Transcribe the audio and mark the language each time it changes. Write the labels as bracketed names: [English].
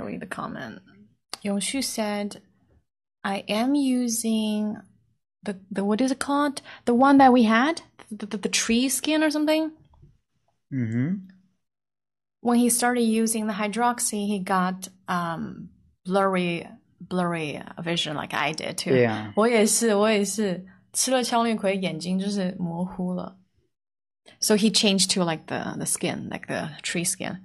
[English] Yongxu said, I am using the what is it called? The one that we had? The tree skin or something? Mm-hmm. When he started using the hydroxy, he got blurry vision like I did too. Yeah. [Chinese] 我也是。吃了枪绿葵眼睛就是模糊了。 [English] So he changed to like the skin, like the tree skin.